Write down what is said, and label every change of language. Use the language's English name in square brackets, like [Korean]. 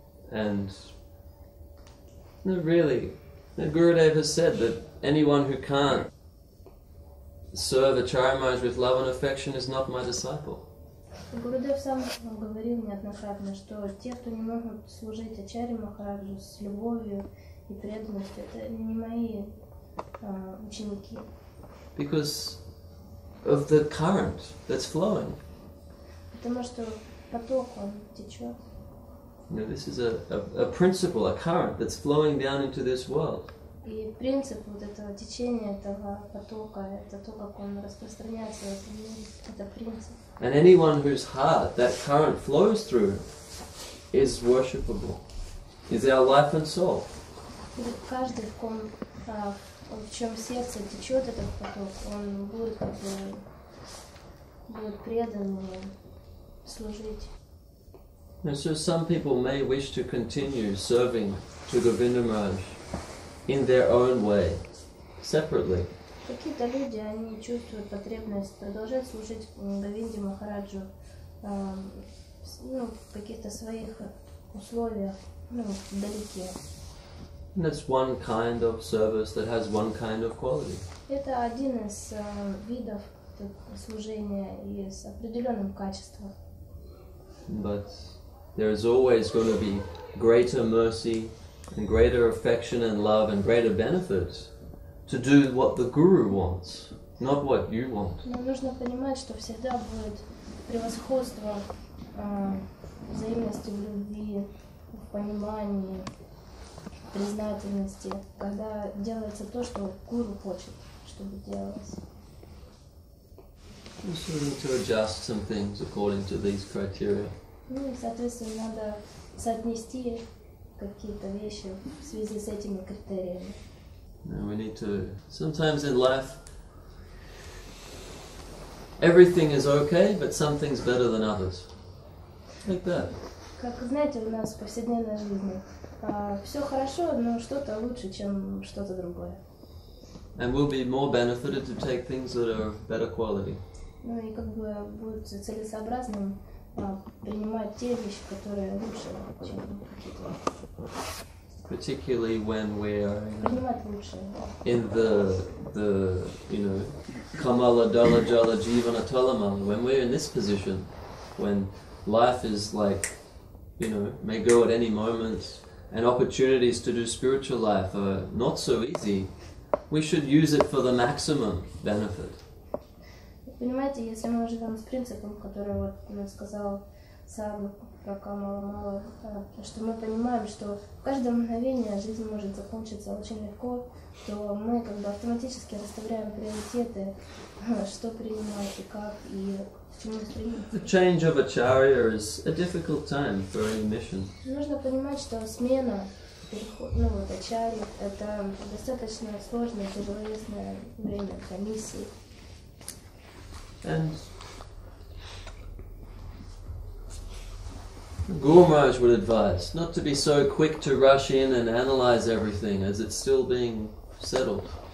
[English] And really, Gurudev has said that anyone who can't serve Acharya Maharaj with love and affection is not my disciple. [Russian] Gurudev сам говорил неоднократно, что те, кто не могут служить Ачарье Махараджу с любовью и преданностью, это не мои ученики. [English] Because of the current that's flowing. [Russian] Потому что поток он течет. [English] You know, this is a principle, a current that's flowing down into this world. [Russian] И принцип вот этого течения этого потока, это то, как он распространяется, это принцип. [English] And anyone whose heart that current flows through is worshipable, is our life and soul. [Russian] И каждый, в ком в чем сердце течет этот поток, он будет будет предан служить. [English] And so some people may wish to continue serving to Govinda Maharaj in their own way, separately. [Russian] Какие-то люди, они чувствуют потребность продолжать служить Говинде Махараджу в каких-то своих условиях, вдалеке. [English] And that's one kind of service that has one kind of quality. [Russian] Это один из видов служения и с определенным качеством. [English] But there is always going to be greater mercy and greater affection and love and greater benefits to do what the guru wants, not what you want. [Russian] Но нужно понимать, что всегда будет превосходство взаимности в любви, в понимании, в признательности, когда делается то, что гуру хочет, чтобы делалось. [English] So we need to adjust some things according to these criteria. [Russian] Ну и, соответственно, надо соотнести какие-то вещи в связи с этими критериями. [English] No, we need to. Sometimes in life, everything is okay, but something's better than others. Like that. [Russian] Как знаете, у нас в повседневной жизни все хорошо, но что-то лучше, чем что-то другое. [English] And we'll be more benefited to take things that are of better quality. [Russian] Ну и как бы будет целесообразным принимать те вещи, которые лучше, чем какие-то. [English] Particularly when we are in the Kamala Dala Jala Jivana Talamala, when we're in this position, when life is like, may go at any moment, and opportunities to do spiritual life are not so easy, we should use it for the maximum benefit. [Russian] Понимаете, если мы живем с принципом, который вот нам сказал сам Ракамала, что мы понимаем, что в каждом мгновении жизнь может закончиться очень легко, то мы как бы автоматически расставляем приоритеты, что принимать и как, и к чему стремиться. [English] The change of acharya is a difficult time for any mission. [Russian] Нужно понимать, что смена, переход, ачарьи, это достаточно сложное, тяжеловесное время для миссии. [English] And Guru Maharaj would advise not to be so quick to rush in and analyze everything as it's still being settled.